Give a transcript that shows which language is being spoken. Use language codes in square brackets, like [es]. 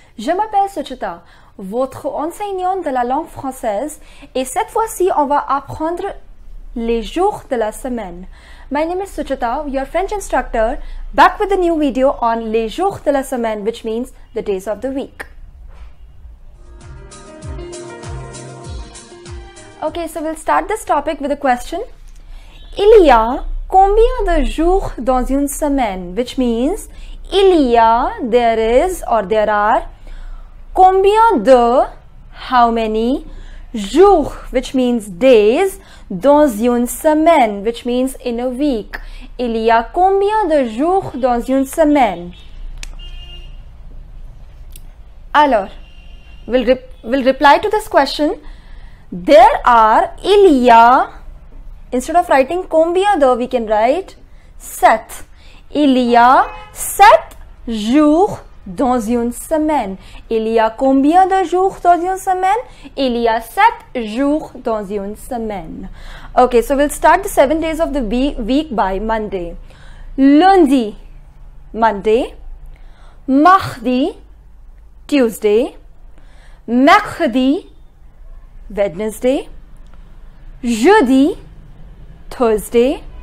[fr] Je m'appelle Suchita, votre enseignante de la langue française, et cette fois-ci, on va apprendre les jours de la semaine. [en] My name is Suchita, your French instructor, back with a new video on [fr] les jours de la semaine, [en] which means the days of the week. Okay, so we'll start this topic with a question. [fr] Il y a combien de jours dans une semaine? [en] Which means, [fr] il y a, [en] there is, or there are. [fr] Combien de, [en] how many, [fr] jours, [en] which means days, [fr] dans une semaine, [en] which means in a week. [fr] Il y a combien de jours dans une semaine? [en] Alors, we'll reply to this question. There are, [fr] il y a, [en] instead of writing [fr] combien de, [en] we can write sept. [fr] Il y a sept jours dans une semaine. Il y a combien de jours dans une semaine? Il y a sept jours dans une semaine. [en] Okay, so we'll start the 7 days of the week by Monday. Lundi, Monday. Mardi, Tuesday. Mercredi, Wednesday. Jeudi, Thursday.